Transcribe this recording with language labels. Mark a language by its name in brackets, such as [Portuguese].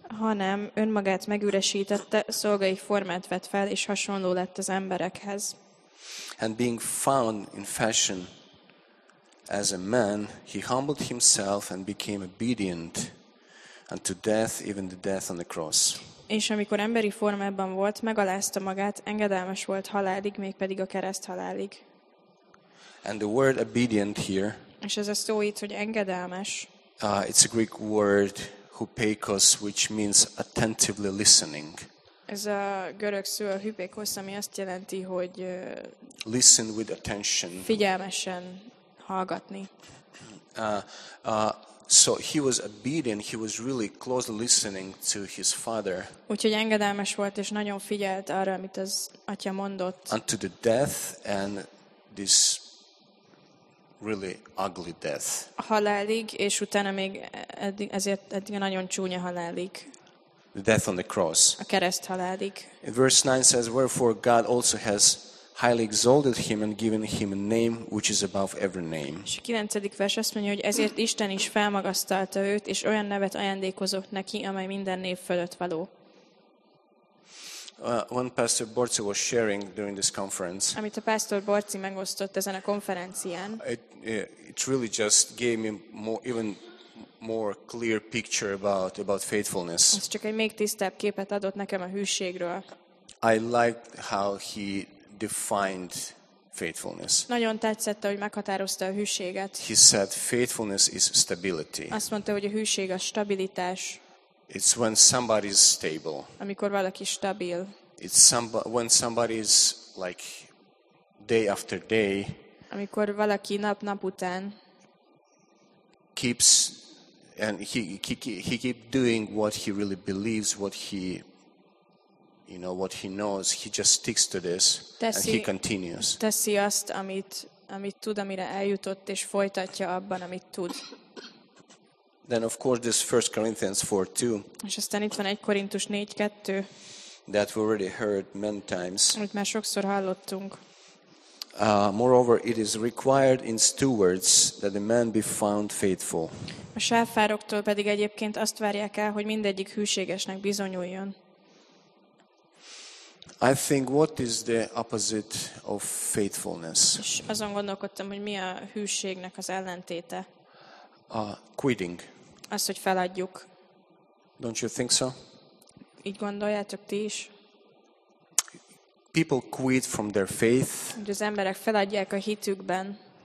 [Hungarian] Hanem önmagát megüresítette, szolgai formát vett fel, és hasonló lett az emberekhez. [English] And being found in fashion as a man, he humbled himself and became obedient unto death, even the death on the cross. [Hungarian] És amikor emberi formában volt, megalázta magát, engedelmes volt halálig, mégpedig a kereszt halálig. [English] And the word obedient here, [Hungarian] és ez a szó itt, hogy engedelmes, [English] it's a Greek word, hupeikos, which means attentively listening. [Hungarian] Ez a görög szó, a hupeikos, ami azt jelenti, hogy [English] listen with attention. [Hungarian] Figyelmesen hallgatni. [English] So he was obedient, he was really closely listening to his father. [Hungarian] Úgyhogy engedelmes volt, és nagyon figyelt arra, amit az atya mondott. [English] Unto the death and this really ugly death. [Hungarian] Halálig, és utána még ezért nagyon csúnya halálig. [English] The death on the cross. [Hungarian] A kereszt halálig. [English] Verse 9 says, wherefore God also has highly exalted him and given him a name which is above every name. [Hungarian] És a 9. vers azt mondja, hogy ezért Isten is felmagasztalta őt, és olyan nevet ajándékozott neki, amely minden név fölött való. [English] When Pastor Borci was sharing during this conference, [Hungarian] amit a Pastor Borci megosztott ezen a konferencián, [English] it really just gave me even more clear picture about faithfulness. [Hungarian] Ez csak egy még tisztább képet adott nekem a hűségről. [English] I liked how he defined faithfulness. [Hungarian] Nagyon tetszett, hogy meghatározta a hűséget. [English] He said faithfulness is stability. [Hungarian] Azt mondta, hogy a hűség a stabilitás. [English] It's when somebody is stable. [Hungarian] Amikor valaki stabil. [English] It's when somebody is like day after day. [Hungarian] Amikor valaki nap után [English] keeps and he keep doing what he really believes, what he, you know, what he knows, he just sticks to this [Hungarian] teszi, [English] and he continues. [Hungarian] Teszi azt, amit tud, amire eljutott, és folytatja abban, amit tud. [English] Then of course this 1 Corinthians 4:2. [Hungarian] És aztán itt van 1 Korintus 4:2. [English] That we already heard many times. [Hungarian] Amit már sokszor hallottunk. [English] Moreover, it is required in stewards that a man be found faithful. [Hungarian] A sáfároktól pedig egyébként azt várják el, hogy mindegyik hűségesnek bizonyuljon. [English] I think what is the opposite of faithfulness? [Hungarian] És azon gondolkodtam, hogy mi a hűségnek az ellentéte. [English] Quitting. [Hungarian] Azt, hogy feladjuk. [English] Don't you think so? [Hungarian] Így gondoljátok ti is. [English] People quit from their faith. [Hungarian] Az emberek feladják a hitükben.